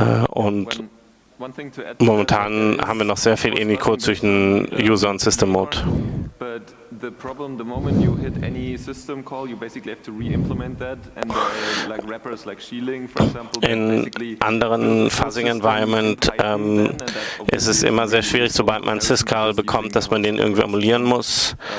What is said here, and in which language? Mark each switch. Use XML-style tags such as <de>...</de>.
<de>Und momentan haben wir noch sehr viel ähnliche Code zwischen User und System Mode.</de> <en>The problem, the moment you hit any system call, you basically have to re-implement that, and like wrappers like Xilinx, for example.</en> <de>In anderen Fuzzing-Environment ist es immer sehr schwierig, sobald man syscall bekommt, dass man den irgendwie emulieren muss.</de>